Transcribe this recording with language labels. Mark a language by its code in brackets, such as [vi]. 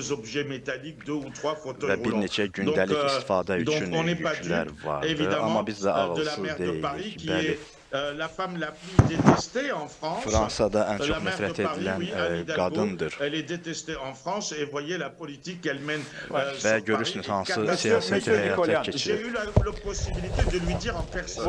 [az] Və bir neçə gündəlik istifadə üçün yüklər vardı. Amma biz də ağılsız deyilik. Bəli. [fr] La femme la plus détestée en France. [az] Fransa'da en çok nefret edilen kadındır. [fr] Elle est détestée en France et voyez la politique qu'elle mène. [az] Ve görürsünüz hansı siyaseti hayata geçirir. [fr] J'ai eu la possibilité de lui dire en personne.